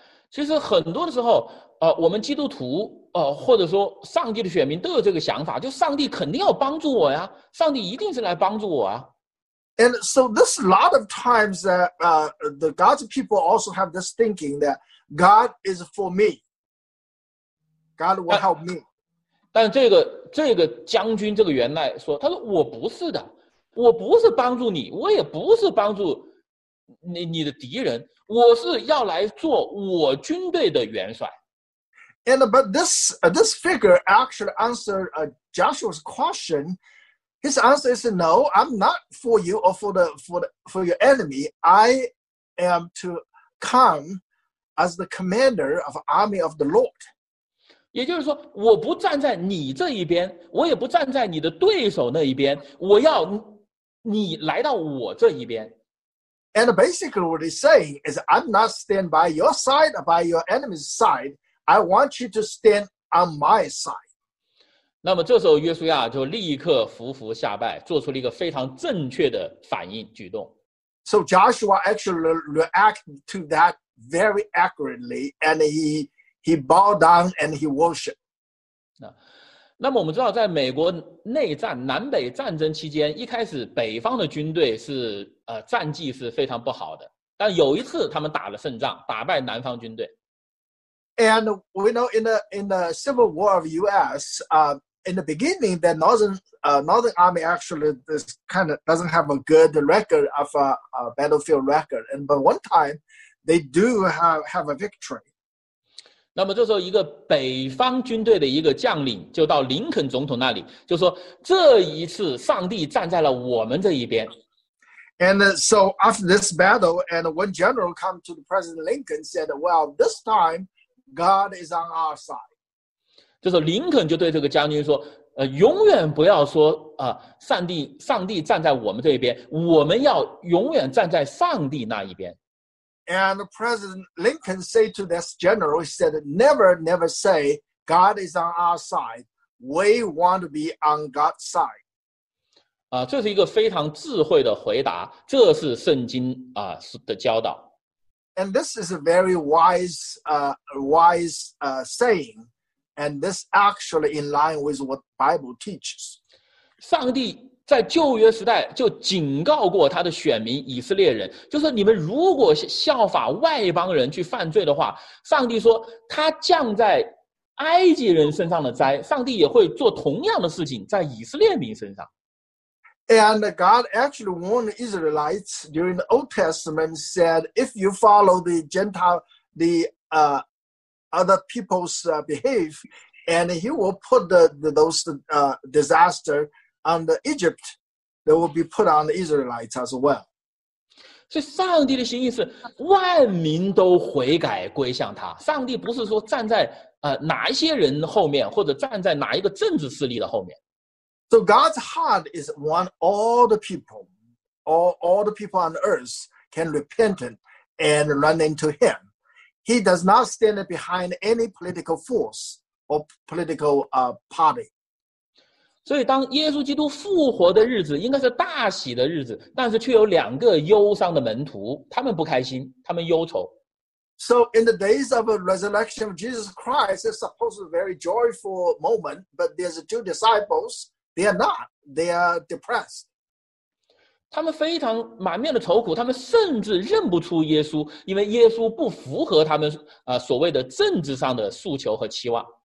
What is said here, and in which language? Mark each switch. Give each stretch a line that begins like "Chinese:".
Chinese: 其实很多的时候我们基督徒或者说上帝的选民都有这个想法，就上帝肯定要帮助我呀，上帝一定是来帮助我啊。
English: And so this lot of times that the God's people also have this thinking that God is for me. God will help me.
Chinese: 但这个将军这个元帅说，他说我不是的，我不是帮助你，我也不是帮助你的敌人，我是要来做我军队的元帅。
English: And but this figure actually answered Joshua's question. His answer is no, I'm not for you or for your enemy. I am to come as the commander of the army of the Lord.
Chinese: 也就是说，我不站在你这一边，我也不站在你的对手那一边，我要你来到我这一边。
English: And basically what he's saying is I'm not standing by your side or by your enemy's side. I want you to stand on my side.
Chinese: 那么这时候约书亚就立刻伏伏下拜，做出了一个非常正确的反应举动。
English: So Joshua actually reacted to that very accurately, and he bowed down and he worshipped.
Chinese: 那么我们知道，在美国内战、南北战争期间，一开始北方的军队是战绩是非常不好的，但有一次他们打了胜仗，打败南方军队。
English: And we know in the Civil War of U.S., in the beginning, the Northern Army actually is kind of doesn't have a good record of a battlefield record. And but one time, they do have a victory.
Chinese: 那么这时候，一个北方军队的一个将领就到林肯总统那里，就说这一次上帝站在了我们这一边。
English: And so after this battle, and one general come to the President Lincoln said, "Well, this time." God is on our side.
Chinese: 就是林肯就对这个将军说，永远不要说上帝站在我们这边，我们要永远站在上帝那一边。
English: And President Lincoln said to this general, he said, never, never say God is on our side. We want to be on God's side.
Chinese: 这是一个非常智慧的回答，这是圣经的教导。
English: And this is a very wise saying. And this actually in line with what the Bible teaches.
Chinese: 上帝在旧约时代就警告过他的选民以色列人，就是你们如果效法外邦人去犯罪的话，上帝说他降在埃及人身上的灾，上帝也会做同样的事情在以色列民身上。
English: And God actually warned Israelites during the Old Testament, said, if you follow the Gentile, the other people's behavior, and he will put those disasters on the Egypt, they will be put on the Israelites as well.
Chinese: 所以上帝的心意是万民都悔改归向他。上帝不是说站在哪一些人后面，或者站在哪一个政治势力的后面。
English: So God's heart is want all the people on earth can repent and run into him. He does not stand behind any political force or political party.
Chinese: 所以当耶稣基督复活的日子应该是大喜的日子，但是却有两个忧伤的门徒，他们不开心，他们忧愁。
English: So in the days of the resurrection of Jesus Christ, it's supposed to be a very joyful moment, but there's two disciples. They are not. They are depressed.
Chinese: 他们非常满面的愁苦，他们甚至认不出耶稣，因为耶稣不符合他们所谓的政治上的诉求和期望。